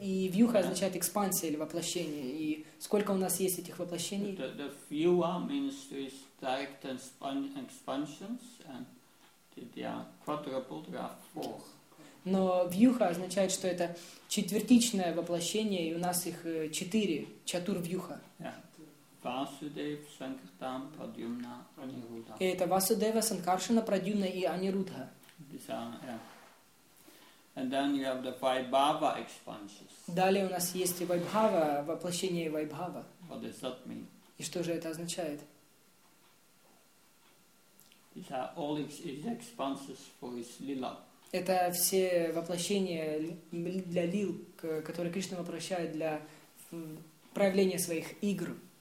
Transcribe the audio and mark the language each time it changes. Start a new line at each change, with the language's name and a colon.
Russian: И вьюха означает экспансия или воплощение. И сколько у нас есть этих воплощений?
English: The vyuha means these direct expansions, and they are quadruple, there are four.
Russian: Но вьюха означает, что это четвертичное воплощение, и у нас их четыре, чатур вьюха. Васудев, Санкартан, Прадюмна, Анирудха. И это Васудева, Санкаршана, Прадюмна и Анирудха.
English: And then you have the Vaibhava expansions.
Russian: Далее у нас есть Вайбхава, воплощение Вайбхава.
English: What does that mean?
Russian: И что же это означает?
English: These are all his expansions for his lila.
Russian: Это все воплощения для лил, которые Кришна воплощает для проявления своих игр.